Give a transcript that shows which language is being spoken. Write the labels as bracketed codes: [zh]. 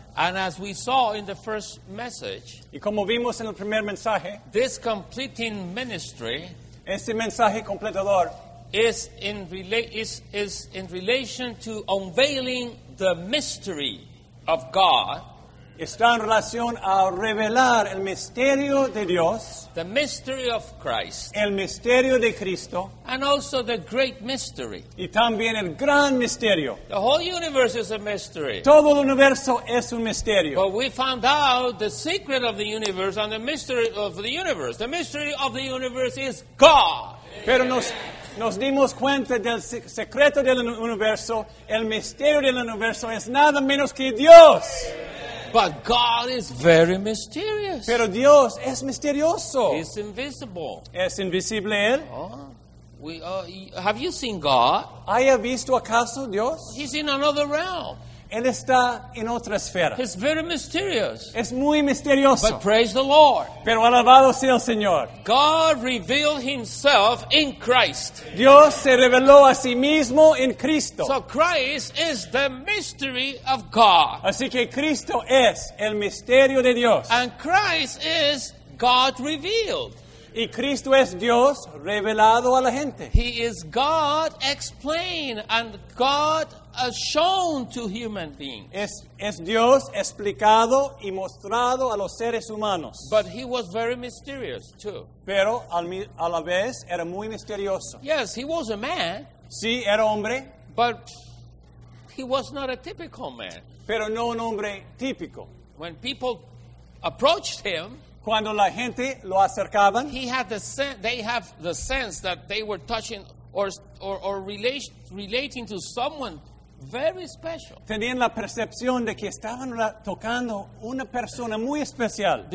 [en] And as we saw in the first message, [es] y como vimos en el primer mensaje, [en] this completing ministry, [es] este mensaje completador, [en] is in relation to unveiling the mystery of God. [es] Está en relación a revelar el misterio de Dios, [en] the mystery of Christ, [es] el misterio de Cristo, [en] and also the great mystery, [es] y también el gran misterio. [en] The whole universe is a mystery. [es] Todo el universo es un misterio. [en] But we found out the secret of the universe and the mystery of the universe. The mystery of the universe is God. [es] Pero nos dimos cuenta del secreto del universo, el misterio del universo es nada menos que Dios. [en] But God is very mysterious. [es] Pero Dios es misterioso. [en] He's invisible. [es] ¿Es invisible él? [en] Have you seen God? [es] ¿Haya visto acaso Dios? [en] He's in another realm. [es] Él está en otra esfera. [en] He's very mysterious. [es] Es muy misterioso. [en] But praise the Lord. [es] Pero alabado sea el Señor. [en] God revealed himself in Christ. [es] Dios se reveló a sí mismo en Cristo. [en] So Christ is the mystery of God. [es] Así que Cristo es el misterio de Dios. [en] And Christ is God revealed. [es] Y Cristo es Dios revelado a la gente. [en] He is God explained and God shown to human beings. [es] Es Dios explicado y mostrado a los seres humanos. [en] But he was very mysterious too. [es] Pero a la vez era muy misterioso. [en] Yes, he was a man. [es] Sí, era hombre. [en] But he was not a typical man. [es] Pero no un hombre típico. [en] When people approached him, [es] cuando la gente lo acercaban, [en] he had the sense, they have the sense that they were touching or relating to someone very special. [es] Tenían la percepción de que estaban tocando una persona muy especial.